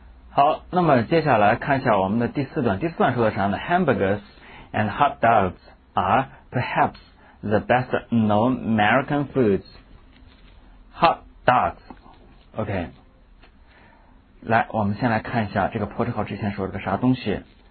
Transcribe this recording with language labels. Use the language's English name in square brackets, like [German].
[Chinese] 好，那么接下来看一下我们的第四段。第四段说的啥呢 [English] ？Hamburgers and hot dogs are perhaps the best known American foods. Hot dogs. OK. [Chinese] 来，我们先来看一下这个破折号之前说了个啥东西。